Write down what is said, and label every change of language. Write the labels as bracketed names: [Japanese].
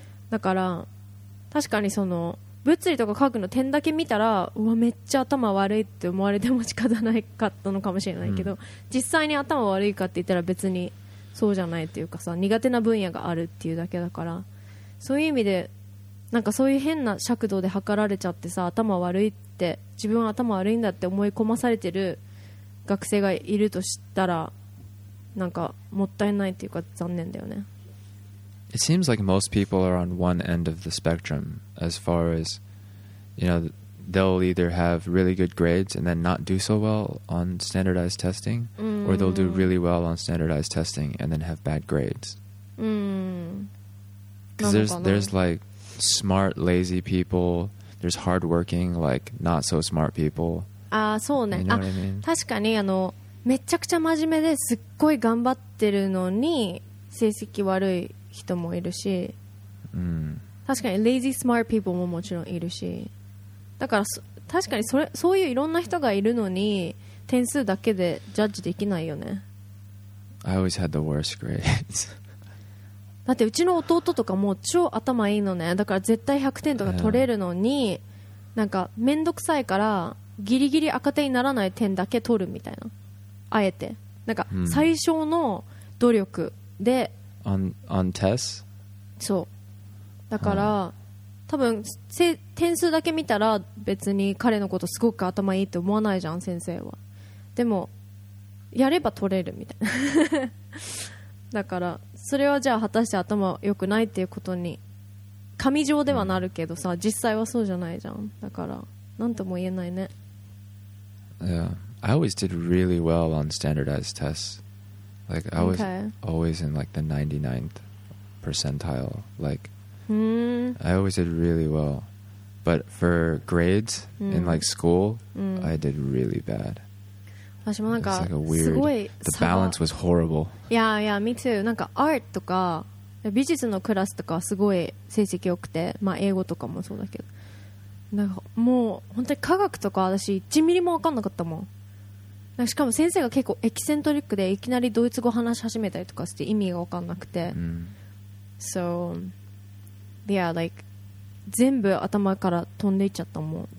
[Japanese] だから確かにその物理とか科学の点だけ見たら、うわめっちゃ頭悪いって思われても仕方ないかったのかもしれないけど、うん、実際に頭悪いかって言ったら別にそうじゃないっていうかさ、苦手な分野があるっていうだけだから、そういう意味でなんかそういう変な尺度で測られちゃってさ、頭悪いって自分は頭悪いんだって思い込まされてる学生がいるとしたら、なんかもったいないっていうか残念だよね。 [English] It seems like most people are on one end of the spectrum as far as, you know, they'll either have really good grades and then not do so well on standardized testing, or they'll do really well on standardized testing and then have bad grades. Because there's like smart, lazy people, there's hardworking, like not so smart people. [Japanese] あそうね、 [English] you know what I mean? [Japanese] あ確かにあのめちゃくちゃ真面目ですっごい頑張ってるのに成績悪い人もいるし、うん、確かに [English] lazy smart people [Japanese] ももちろんいるし、だから確かにそういういろんな人がいるのに点数だけでジャッジできないよね。 [English] I always had the worst grades. [Japanese] だってうちの弟とかも超頭いいのね、だから絶対100点とか取れるのに、なんかめんどくさいからギリギリ赤点にならない点だけ取るみたいな、あえてなんか最小の努力で、 [English] うん、on test? [Japanese] そうだから、多分点数だけ見たら別に彼のことすごく頭いいって思わないじゃん先生は、でもやれば取れるみたいな。だからそれはじゃあ果たして頭良くないっていうことに紙上ではなるけどさ、実際はそうじゃないじゃん、だからなんとも言えないね。 [English] Yeah. I always did really well on standardized tests. Like, I was always in, like, the 99th percentile. Like, I always did really well. But for grades in, like, school, I did really bad. It's like a weird... The balance was horrible. Yeah, yeah, me too. [Japanese] なんか art とか美術のクラスとかすごい成績良くて、まあ、英語とかもそうだけど、なんかもう本当に科学とか私1ミリも分かんなかったもん。なんかしかも先生が結構エキセントリックでいきなりドイツ語話し始めたりとかして意味が分かんなくて、 [English] So yeah, like [Japanese] 全部頭から飛んでいっちゃったもん。